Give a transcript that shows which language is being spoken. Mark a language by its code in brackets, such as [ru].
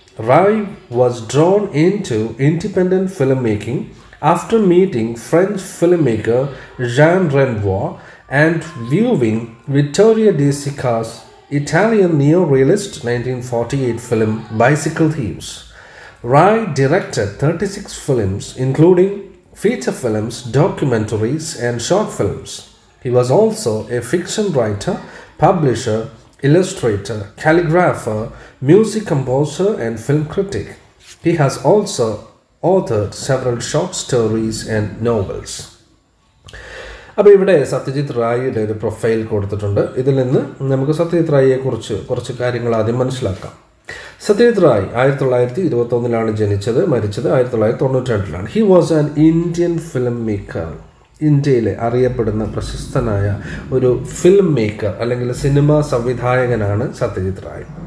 [en] Ray was drawn in to independent film making after meeting French film maker Jean Renoir and viewing Vittorio De Sica's Italian neo realist 1948 film bicycle thieves. Ray directed 36 films including feature films, documentaries and short films. He was also a fiction writer, publisher, illustrator, calligrapher, music composer and film critic. He has also authored several short stories and novels. [ml] അപ്പോൾ ഇവിടെ സത്യജിത് റായിയുടെ ഒരു profile കൊടുത്തിട്ടുണ്ട്. ഇതിൽ നിന്ന് നമുക്ക് സത്യജിത് റായിയെ കുറച്ച് കാര്യങ്ങൾ ആദ്യം മനസ്സിലാക്കാം. സത്യജിത് റായ് 1921 ജനിച്ചത്, മരിച്ചത് 1992. [en] He was an Indian film maker. [ml] ഇന്ത്യയിലെ അറിയപ്പെടുന്ന പ്രശസ്തനായ ഒരു ഫിലിം മേക്കർ അല്ലെങ്കിൽ സിനിമാ സംവിധായകനാണ് സത്യജിത് റായ്.